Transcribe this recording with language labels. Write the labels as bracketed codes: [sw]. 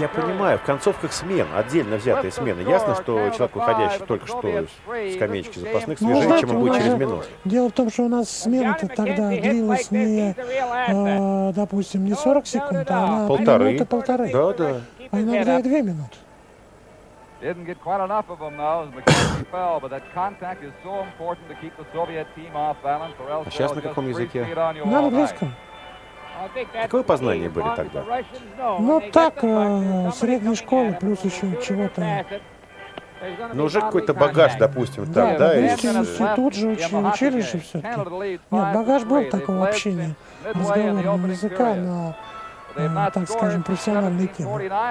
[ru] Я понимаю, в концовках смен, отдельно взятые смены. Ясно, что человек, выходящий только что с скамеечки запасных, свежее, знаете, чем он будет через минуту. Дело в том, что у нас смена-то тогда длилась не, допустим, не 40 секунд, а на полторы. Полторы. Да, да. А иногда и 2 минуты. [en] Didn't get quite enough of them though, as McKenzie fell, but that contact is so important to keep the Soviet team off balance, or else they'll just free speed on you all night. [ru] Какое познание были тогда? Ну так, средней школы, плюс еще чего-то. Но уже какой-то багаж, допустим, там, да? Да, и институт же училище все-таки. Нет, багаж был такого общения, разговорного языка на, так скажем, профессиональной теме.